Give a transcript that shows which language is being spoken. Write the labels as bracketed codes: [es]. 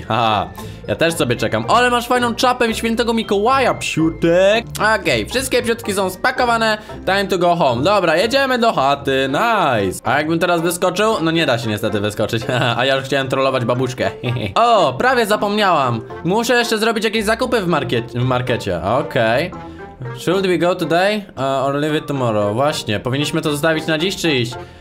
[pl] Haha, ja też sobie czekam. Ale masz fajną czapę świętego Mikołaja, psiutek. Okej, wszystkie psiutki są spakowane. [en] Time to go home. [pl] Dobra, jedziemy do chaty. Nice. A jakbym teraz wyskoczył? No nie da się niestety wyskoczyć. A ja już chciałem trollować babuszkę. O, prawie zapomniałam. Muszę jeszcze zrobić jakieś zakupy w markecie. Okej. [en] Should we go today or leave it tomorrow? [pl] Właśnie, powinniśmy to zostawić na dziś czy iść?